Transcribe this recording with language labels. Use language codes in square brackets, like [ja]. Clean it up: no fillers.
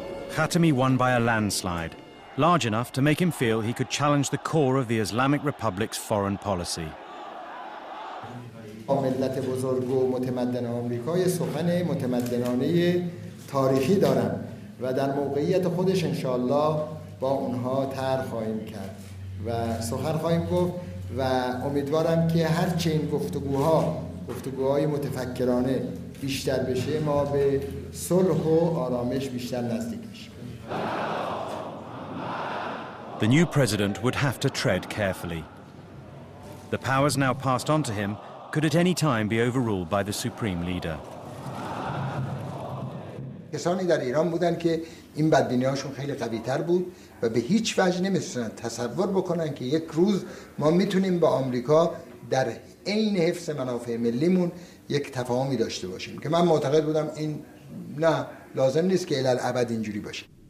[en] Khatami won by a landslide, large enough to make him feel he could challenge the core of the Islamic Republic's foreign policy. [fa] ملت بزرگ و متمدن آمریکای سخن متمدنانه تاریخی دارم و در موقعیت خودش انشاءالله با اونها تر خواهیم کرد و سخن خواهیم گفت و امیدوارم که هرچه این گفتگوهای متفکرانه بیشتر بشه ما به صلح و آرامش بیشتر نزدیک بشیم. [en] The new president would have to tread carefully. The powers now passed on to him could at any time be overruled by the supreme leader. [fa] کسانی در ایران بودند که این بدبینی‌هاشون خیلی قوی‌تر بود و به هیچ وجه نمی‌تونستن تصور بکنن که یک روز ما میتونیم با آمریکا در عین حفظ منافع ملیمون یک تفاهمی داشته باشیم که من معتقد بودم این نه لازم نیست که الالعبد اینجوری باشه.